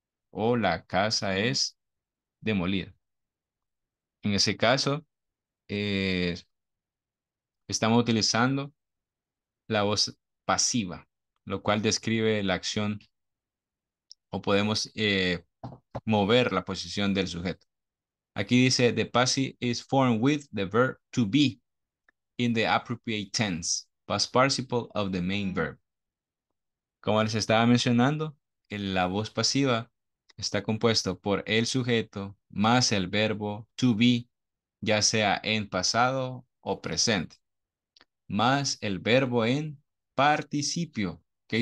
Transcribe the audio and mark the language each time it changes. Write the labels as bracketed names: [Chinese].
[Spanish] O la casa es demolida. En ese caso, estamos utilizando la voz pasiva, lo cual describe la acción o podemos mover la posición del sujeto. Aquí dice, [English] the passive is formed with the verb to be in the appropriate tense. Past participle of the main verb. [Spanish] Como les estaba mencionando, la voz pasiva está compuesto por el sujeto más el verbo to be, ya sea en pasado o presente, más el verbo en participio. ¿Qué?